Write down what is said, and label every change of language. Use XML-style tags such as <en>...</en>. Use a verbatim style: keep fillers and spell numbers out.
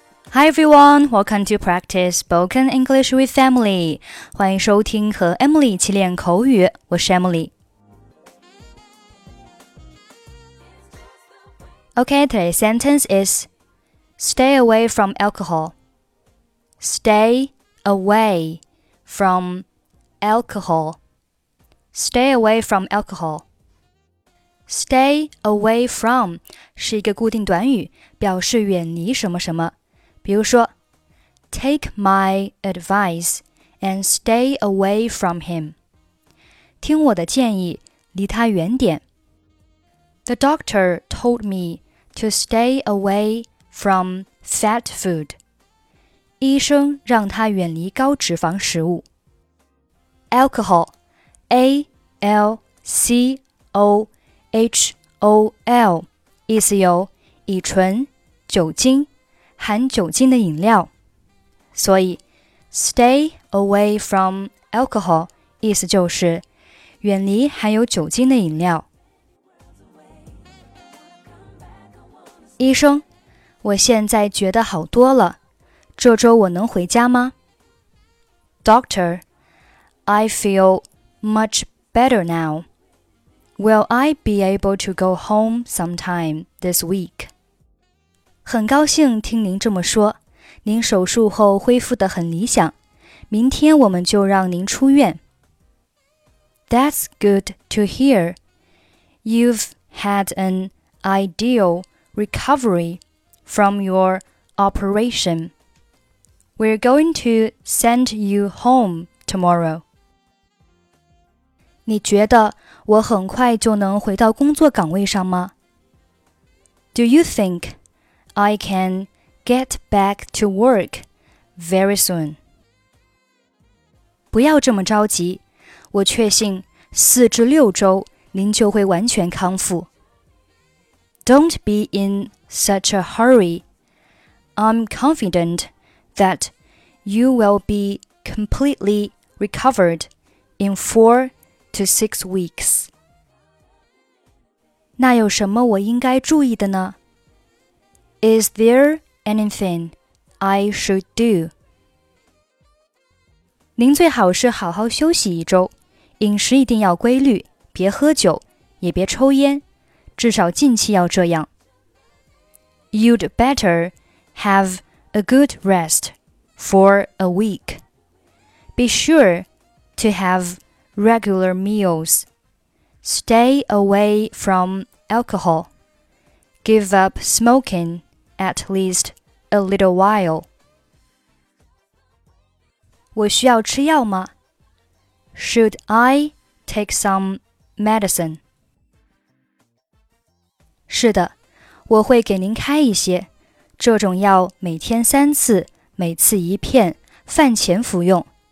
<en>Hi everyone, welcome to practice spoken English with Emily.</en> <zh>欢迎收听和 Emily 一起练口语，我是 Emily.</zh> <en>Okay, today's sentence is stay away from alcohol. Stay away from alcohol. Stay away from alcohol.</en> <zh>Stay away from 是一个固定短语，表示远离什么什么。比如说</zh> <en>take my advice and stay away from him.</en> <zh>听我的建议，离他远点。</zh> <en>The doctor told me to stay away from fat food.</en> <zh>医生让他远离高脂肪食物。Alcohol, A L C O H O L 意思有乙醇、酒精、含酒精的饮料，所以</zh> <en>stay away from alcohol</en> <zh>意思就是远离含有酒精的饮料。医生，我现在觉得好多了，这周我能回家吗？</zh> <en>Doctor, I feel much better now. Will I be able to go home sometime this week?</en> <zh>很高兴听您这么说，您手术后恢复得很理想，明天我们就让您出院。</zh> <en>That's good to hear. You've had an ideal recovery from your operation. We're going to send you home tomorrow.</en> <zh>你觉得我很快就能回到工作岗位上吗？</zh> <en>Do you think... I can get back to work very soon.</en> <zh>不要这么着急，我确信四至六周您就会完全康复。</zh> <en>Don't be in such a hurry. I'm confident that you will be completely recovered in four to six weeks.</en> <zh>那有什么我应该注意的呢？</zh> <en>Is there anything I should do? 您最好是好好休息一周，饮食一定要规律，别喝酒，也别抽烟，至少近期要这样。 You'd better have a good rest for a week. Be sure to have regular meals. Stay away from alcohol. Give up smoking at least a little while.</en> <zh>我需要吃药吗？</zh> <en>Should I take some medicine?</en> <zh>是的，我会给您开一些。这种药每天三次，每次一片，饭前服用。</zh>